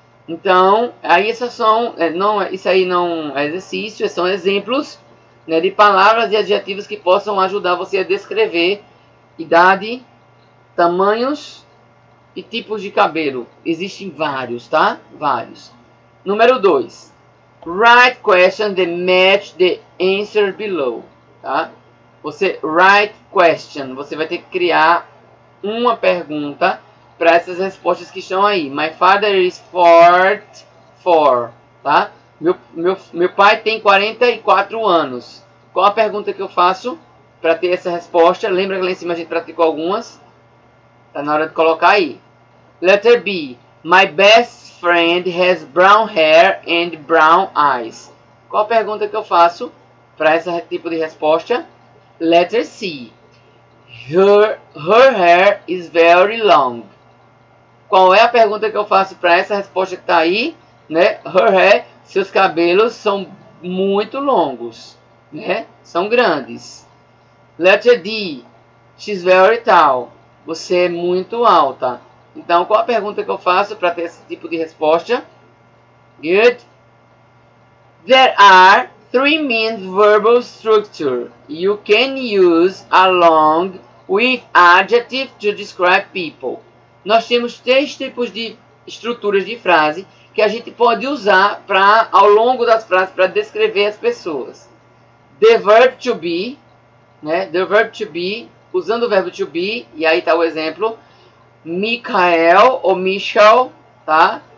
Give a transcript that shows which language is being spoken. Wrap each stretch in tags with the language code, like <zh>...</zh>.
<pt>Então, aí essas são, não, isso aí não é exercício, são exemplos, né, de palavras e adjetivos que possam ajudar você a descrever idade, tamanhos e tipos de cabelo. Existem vários, tá? Vários. Número 2.</pt> <en>Write questions that match the answer below, tá?</en> <pt>Você</pt> <en>write question,</en> <pt>você vai ter que criar uma pergunta para essas respostas que estão aí.</pt> <en>My father is 44, tá?</en> <pt>Meu pai tem 44 anos. Qual a pergunta que eu faço para ter essa resposta? Lembra que lá em cima a gente praticou algumas? Tá na hora de colocar aí.</pt> <en>Letter B. My best friend has brown hair and brown eyes.</en> <pt>Qual a pergunta que eu faço para esse tipo de resposta?</pt> <en>Letter C. Her hair is very long.</en> <pt>Qual é a pergunta que eu faço para essa resposta que está aí? Né?</pt> <en>Her hair,</en> <pt>seus cabelos são muito longos. Né? São grandes.</pt> <en>Letter D. She's very tall.</en> <pt>Você é muito alta. Então, qual a pergunta que eu faço para ter esse tipo de resposta?</pt> <en>Good. There are 3 main verbal structures you can use along with adjective to describe people.</en> <pt>Nós temos 3 tipos de estruturas de frase que a gente pode usar para ao longo das frases para descrever as pessoas.</pt> <en>The verb to be,</en> <pt>né? The verb to be, usando o verbo to be, e aí está o exemplo. Michael ou Michel, tá?</pt>